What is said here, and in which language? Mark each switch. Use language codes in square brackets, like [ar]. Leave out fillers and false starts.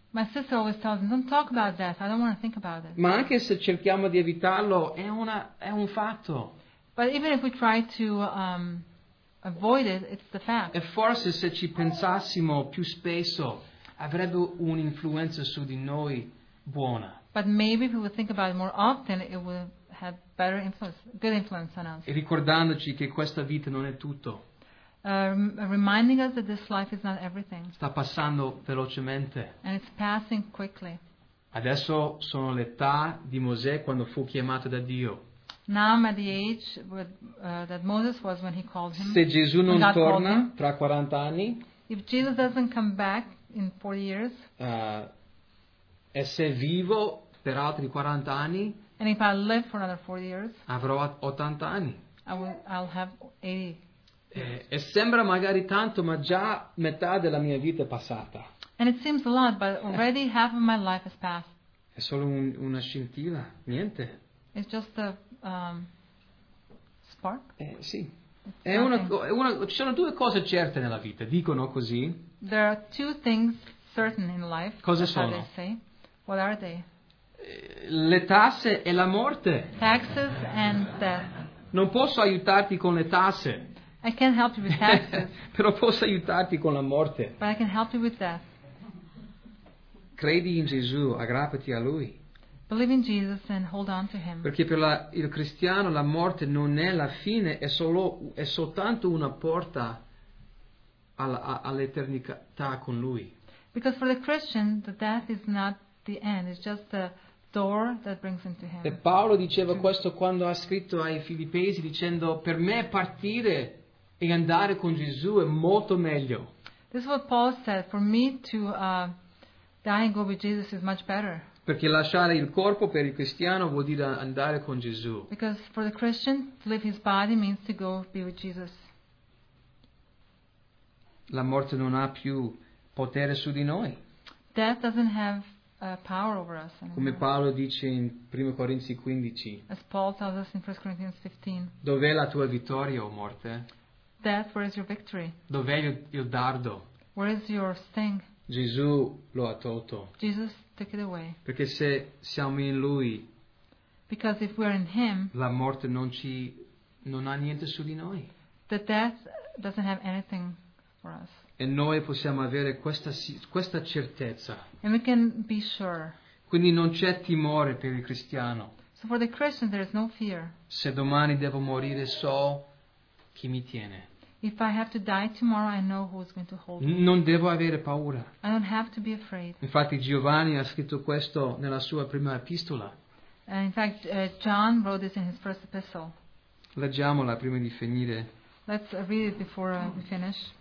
[en] My sister always tells me, don't talk about death, I don't want to think about it. [it] Ma anche se cerchiamo di evitarlo, è un fatto. [en] But even if we try to avoid it, it's the fact. [it] E forse se ci pensassimo più spesso, avrebbe un'influenza su di noi buona. [en] But maybe if we would think about it more often, it would have better influence, good influence on us. [it] E ricordandoci che questa vita non è tutto. [en] Reminding us that this life is not everything. [it] Sta passando velocemente. [en] And it's passing quickly. [it] Adesso sono l'età di Mosè quando fu chiamato da Dio. [en] Now I'm at the age with, that Moses was when he called him. [it] Se Gesù non torna tra 40 anni. [en] If Jesus doesn't come back in 40 years. [it] E se vivo per altri 40 anni. [en] And if I live for another 40 years. [it] Avrò 80 anni. [en] I'll have 80. [it] E sembra magari tanto, ma già metà della mia vita è passata. [en] And it seems a lot, but already half of my life has passed. [it] È solo una scintilla, niente. [en] It's just a spark. [it] Sì. Ci sono due cose certe nella vita, dicono così. [en] There are two things certain in life. [it] Cosa sono? [en] They say. What are they? [it] Le tasse e la morte. [en] Taxes and death. [it] Non posso aiutarti con le tasse. [en] I can't help you with taxes. [it] Però posso aiutarti con la morte. [en] But I can help you with death. [it] Credi in Gesù, aggrappati a Lui. [en] Believe in Jesus and hold on to Him. [it] Perché per il cristiano la morte non è la fine, è soltanto una porta all'eternità con Lui. [en] Because for the Christian, the death is not the end, it's just the door that brings him to Him. [it] E Paolo diceva questo quando ha scritto ai Filippesi dicendo, per me partire e andare con Gesù è molto meglio. [en] This is what Paul said. For me to die and go with Jesus is much better. [it] Perché lasciare il corpo per il cristiano vuol dire andare con Gesù. [en] Because for the Christian, to leave his body means to go be with Jesus. [it] La morte non ha più potere su di noi. [en] Death doesn't have power over us anymore. [it] Come Paolo dice in 1 Corinzi 15. [en] As Paul tells us in 1 Corinthians 15. [it] Dov'è la tua vittoria, o morte? [en] Death, where is your victory? [it] Dov'è il dardo? [en] Where is your sting? [it] Gesù lo ha tolto. [en] Jesus took it away. [it] Perché se siamo in Lui. [en] Because if we're in Him. [it] La morte non ha niente su di noi. [en] The death doesn't have anything for us. [it] E noi possiamo avere questa certezza. [en] And we can be sure. [it] Quindi non c'è timore per il cristiano. [en] So for the Christian there is no fear. [it] Se domani devo morire so chi mi tiene. [en] If I have to die tomorrow, I know who's going to hold me. [it] Non devo avere paura. [en] I don't have to be afraid. [it] Infatti Giovanni ha scritto questo nella sua prima epistola. [en] And in fact, John wrote this in his first epistle. [it] Leggiamola prima di finire. [en] Let's read it before we finish.